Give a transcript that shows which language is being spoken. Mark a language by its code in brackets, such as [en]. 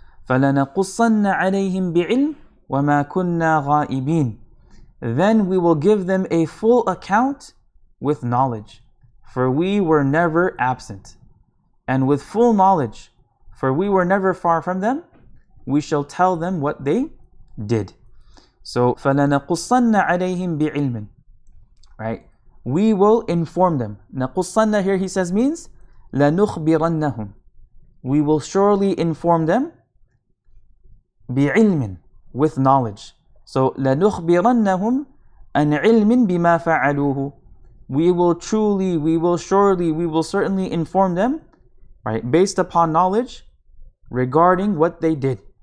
[ar] فَلَنَقُصَّنَّ عَلَيْهِمْ بِعِلْمٍ وَمَا كُنَّا غَائِبِينَ. [en] Then we will give them a full account with knowledge, for we were never absent. And with full knowledge, for we were never far from them, we shall tell them what they did. So, [ar] فَلَنَقُصَّنَّ عَلَيْهِمْ بِعِلْمٍ. [en] Right? We will inform them. نَقُصَّنَّ here he says means [ar] لَنُخْبِرَنَّهُمْ. [en] We will surely inform them [ar] بِعِلْمٍ, [en] with knowledge. So [ar] لَنُخْبِرَنَّهُمْ أَنْ عِلْمٍ بِمَا فَعَلُوهُ. [en] We will truly, we will surely, we will certainly inform them, right, based upon knowledge regarding what they did.